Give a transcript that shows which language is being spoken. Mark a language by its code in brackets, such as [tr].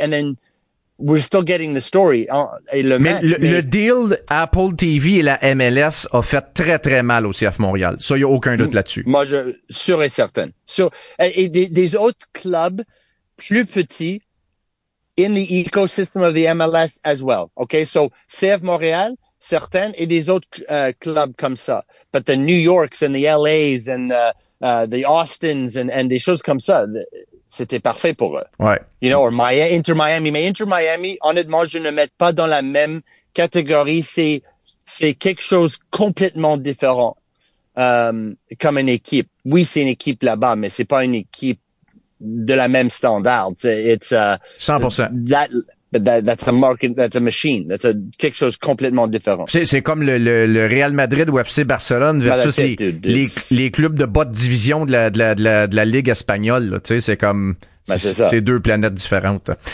[en] And then we're still getting the story. [fr] Le deal Apple TV et la MLS a fait très, très mal au CF Montréal. Ça, il y a aucun doute là-dessus. Moi, je serais certain. Et des autres clubs plus petits [en] in the ecosystem of the MLS as well. [fr] Okay, so CF Montréal, certains, et des autres clubs comme ça. [en] But the New Yorks and the LAs and the Austins and [fr] des choses comme ça, [en] c'était parfait pour eux. [fr] Ouais. [en] You know, or Inter-Miami. [fr] Mais Inter-Miami, honnêtement, je ne mets pas dans la même catégorie. C'est quelque chose complètement différent comme une équipe. Oui, c'est une équipe là-bas, mais c'est pas une équipe de la même standard. [en] It's 100%. That's a market, that's a machine. [fr] That's quelque chose complètement différent. C'est comme le Real Madrid ou FC Barcelone versus les clubs de bas de division de la Ligue espagnole. Là. Tu sais, c'est comme c'est deux planètes différentes.